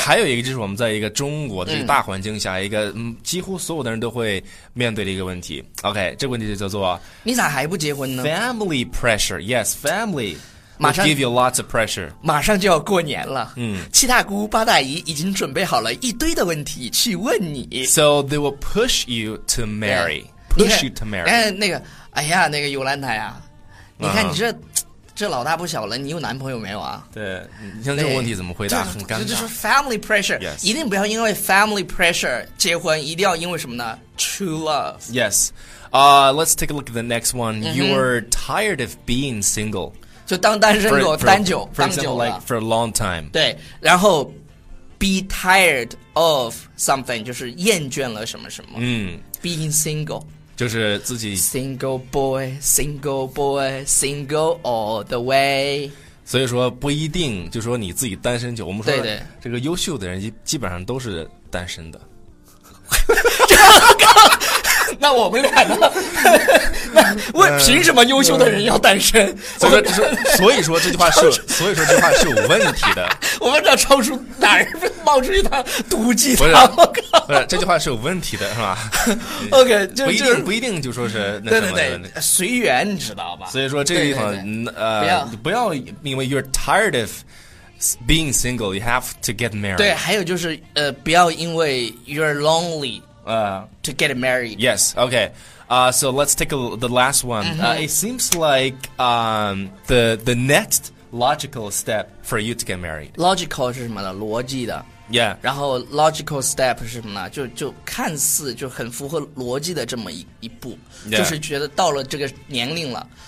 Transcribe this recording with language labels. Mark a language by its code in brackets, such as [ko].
[zh] 还有一个就是我们在一个中国的这个大环境下一个几乎所有的人都会面对的一个问题。 OK， 这个问题就叫做你咋还不结婚呢？ [en] Family pressure， yes， family [zh] 马上 [en] give you lots of pressure， [zh] 马上就要过年了，七大姑八大姨已经准备好了一堆的问题去问你。 [en] So they will push you to marry push you to marry。 [zh] 哎，那个哎呀，那个尤兰达呀，你看你这这老大不小了，你有男朋友没有啊？对，你像这种问题怎么回答？很尴尬。这就是 family pressure， [en] yes. [zh] 一定不要因为 family pressure 结婚，一定要因为什么呢 ？ [en] True love. Yes. Let's take a look at the next one.、 Mm-hmm. You're tired of being single. [zh] 就当单身狗，单久，当久了。 [en] For example, like for a long time. [zh] 对，然后 [en] be tired of something [zh] 就是厌倦了什么什么。嗯、mm. [en] ，being single. [zh] 就是自己 [en] single boy, single boy, single all the way. [zh] 所以说不一定，就说你自己单身久。我们说对这个优秀的人基本上都是单身的。那我们俩呢？为凭什么优秀的人要单身？所以说这句话是所以说这句话是有问题的。我们俩超出哪儿冒出一段毒鸡汤？不是这句话是有问题的，是吧？OK， 就不一定就说是那什么的对对对，随缘，你知道吧？所以说这个地方，对对对不要 [en] 因为 you're tired of being single, you have to get married。 [zh] 对，还有就是不要因为 [en] you're lonely。 To get married. Yes, okay. So let's take the last one. Mm-hmm. It seems like the next logical step for you to get married. [zh] Logical 是什么呢？逻辑的。 [en] Yeah. [zh] 然后 logical step 是什么呢？就看似就很符合逻辑的这么一步。 [en] Yeah. [zh] 就是觉得到了这个年龄了。